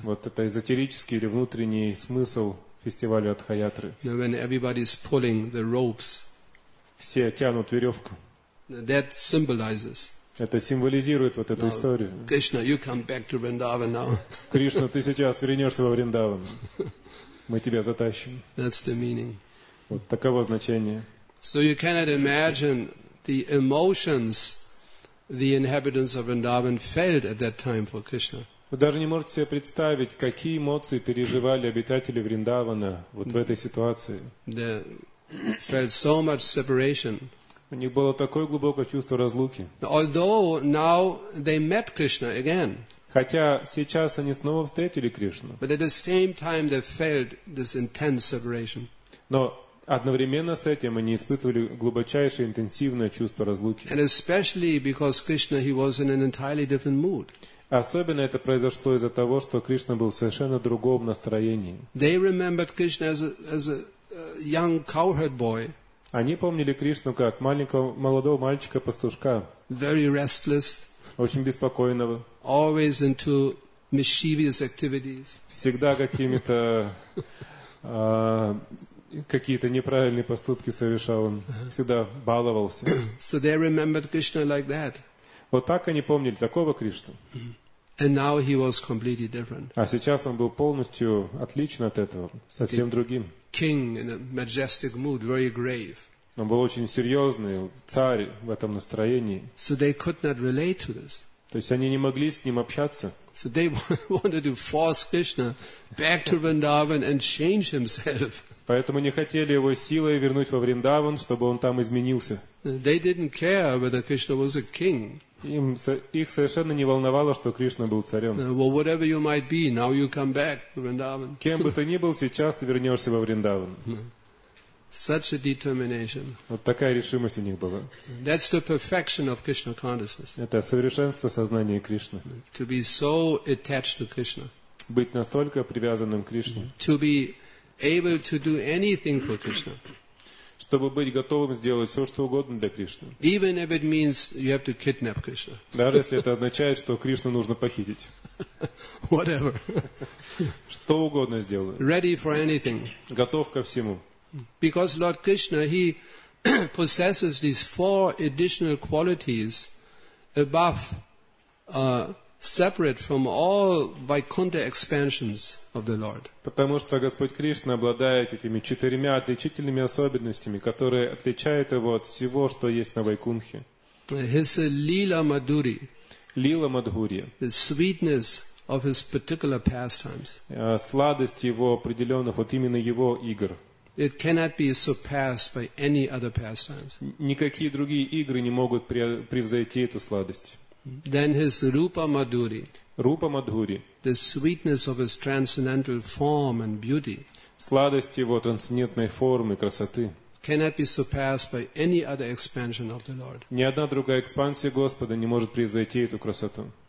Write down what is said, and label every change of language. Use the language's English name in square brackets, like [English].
[Russian] Вот это эзотерический или внутренний смысл фестиваля Ратха Ятры. [English] When everybody is pulling the ropes. [Russian] Все тянут веревку. [English] That symbolizes. [Russian] Это символизирует вот эту историю. [English] Krishna, you come back to Vrindavan now. [Russian] Кришна, ты сейчас вернешься во Вриндаван. Мы тебя затащим. [English] That's the meaning. [Russian] Вот таково значение. [English] So you cannot imagine the emotions the inhabitants of Vrindavan felt at that time for Krishna. [Russian] Вы даже не можете себе представить, какие эмоции переживали обитатели Вриндавана вот в этой ситуации. [English] They felt so much separation. [Russian] У них было такое глубокое чувство разлуки. [English] Although now they met Krishna again. [Russian] Хотя сейчас они снова встретили Кришну. [English] But at the same time they felt this intense separation. [Russian] Но одновременно с этим они испытывали глубочайшее интенсивное чувство разлуки. [English] And especially because Krishna, he was in an entirely different mood. [Russian] Особенно это произошло из-за того, что Кришна был в совершенно другом настроении. [English] They remembered Krishna as a young cowherd boy. [Russian] Они помнили Кришну как маленького молодого мальчика-пастушка. [English] Very restless. [Russian] Очень беспокойного. [English] Always into mischievous activities. [Russian] Всегда какими-то какие-то неправильные поступки совершал он. Всегда баловался. [English] So they remembered Krishna like that. [Russian] Вот так они помнили такого Кришну. [English] And now he was completely different. [Russian] А сейчас он был полностью отличен от этого, совсем другим. [English] King in a majestic mood, very grave. [Russian] Он был очень серьезный царь в этом настроении. [English] So they could not relate to this. [Russian] То есть они не могли с ним общаться. [English] So they wanted to force Krishna back to Vrindavan and change himself. [Russian] Поэтому не хотели его силой вернуть во Вриндаван, чтобы он там изменился. [English] They didn't care whether Krishna was a king. [Russian] Их совершенно не волновало, что Кришна был царем. [English] Well, whatever you might be, now you come back to Vrindavan. [Russian] Кем бы ты ни был, сейчас ты вернешься во Вриндаван. [English] Such a determination. [Russian] Вот такая решимость у них была. [English] That's the perfection of Krishna consciousness. [Russian] Это совершенство сознания Кришны. [English] To be so attached to Krishna. [Russian] Быть настолько привязанным к Кришне. [English] To be able to do anything for Krishna. [Russian] Чтобы быть готовым сделать все, что угодно для Кришны. [English] Even if it means you have to kidnap Krishna. [Russian] Даже если это означает, что Кришну нужно похитить. [English] Whatever. [Russian] Что угодно сделаю. [English] Ready for anything. [Russian] Готов ко всему. [English] Because Lord Krishna, he possesses these four additional qualities above separate from all Vaikuntha expansions of the Lord. [Russian] Потому что Господь Кришна обладает этими четырьмя отличительными особенностями, которые отличают его от всего, что есть на Вайкунхе. [English] His Lila Madhuri. Lila Madhuri. The sweetness of his particular pastimes. [Russian] Сладость его определенных, вот именно его игр. [English] It cannot be surpassed by any other pastimes. [Russian] Никакие другие игры не могут превзойти эту сладость. [English] Then his Rupa Madhuri. Rupa Madhuri. The sweetness of his transcendental form and beauty. [Russian] Сладость его трансцендентной формы, красоты. [English] Cannot be surpassed by any other expansion of the Lord. [Russian] Ни одна другая экспансия Господа не может превзойти эту красоту.